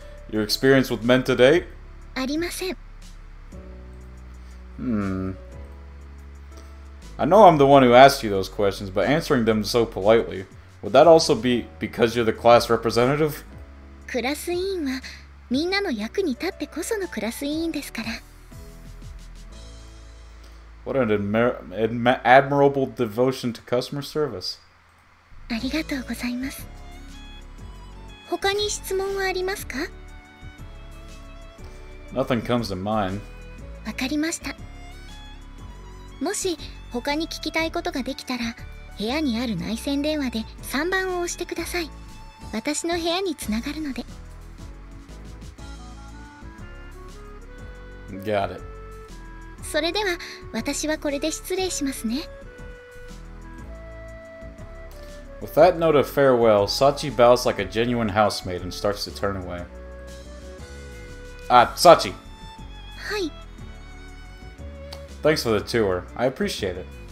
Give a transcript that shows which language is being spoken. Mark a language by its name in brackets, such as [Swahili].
[English] Your experience with men to date? [Japanese] ありません。 [English] I know I'm the one who asked you those questions, but answering them so politely, would that also be because you're the class representative? [Japanese] クラス委員はみんなの役に立ってこそのクラス委員ですから。 [English] What an admirable devotion to customer service. [Japanese] ありがとうございます。他に質問はありますか? [English] Nothing comes to mind. [Japanese] わかりました。もし他に聞きたいことができたら、部屋にある内線電話で3番を押してください。私の部屋につながるので。 [English] Got it. [Japanese] それでは私はこれで失礼しますね。 [English] With that note of farewell, Sachi bows like a genuine housemaid and starts to turn away. Sachi! [Japanese] Hai. [English] Thanks for the tour. I appreciate it.